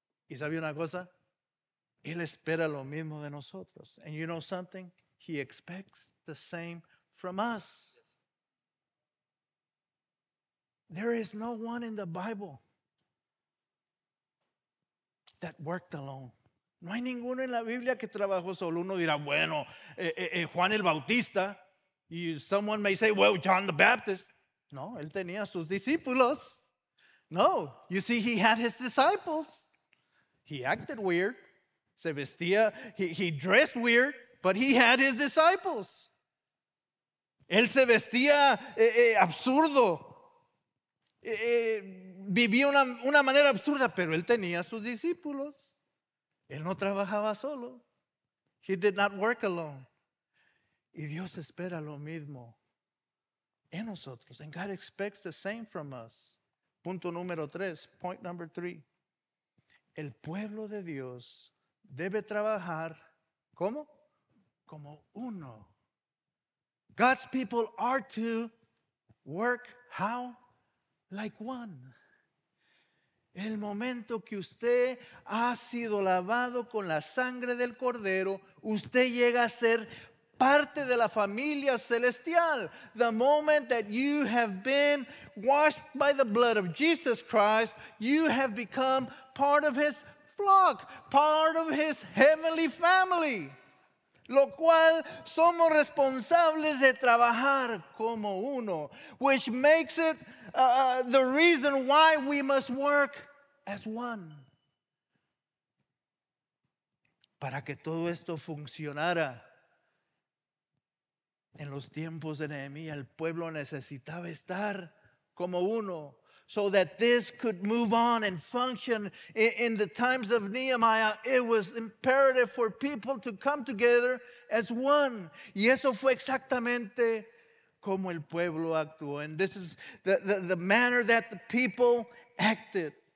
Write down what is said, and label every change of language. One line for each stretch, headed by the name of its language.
Spanish: ¿Y sabe una cosa? Él espera lo mismo de nosotros.
English: And you know something? He expects the same from us. There is no one in the Bible that worked alone.
Spanish: No hay ninguno en la Biblia que trabajó solo. Uno dirá, bueno, Juan el Bautista.
English: Someone may say, well, John the Baptist.
Spanish: No, él tenía sus discípulos.
English: No, you see, he had his disciples. He acted weird.
Spanish: Se vestía,
English: he dressed weird, but he had his disciples.
Spanish: Él se vestía absurdo. Vivía una manera absurda, pero él tenía sus discípulos. Él no trabajaba solo.
English: He did not work alone.
Spanish: Y Dios espera lo mismo en nosotros.
English: And God expects the same from us.
Spanish: Punto número tres.
English: Point number three.
Spanish: El pueblo de Dios debe trabajar, ¿cómo? Como uno.
English: God's people are to work how? Like one.
Spanish: El momento que usted ha sido lavado con la sangre del Cordero, usted llega a ser parte de la familia celestial.
English: The moment that you have been washed by the blood of Jesus Christ, you have become part of his flock, part of his heavenly family.
Spanish: Lo cual somos responsables de trabajar como uno.
English: Which makes it the reason why we must work as one.
Spanish: Para que todo esto funcionara. En los tiempos de Nehemiah, el pueblo necesitaba estar como uno.
English: So that this could move on and function in the times of Nehemiah, it was imperative for people to come together as one.
Spanish: Y eso fue exactamente como el pueblo actuó.
English: And this is the manner that the people acted.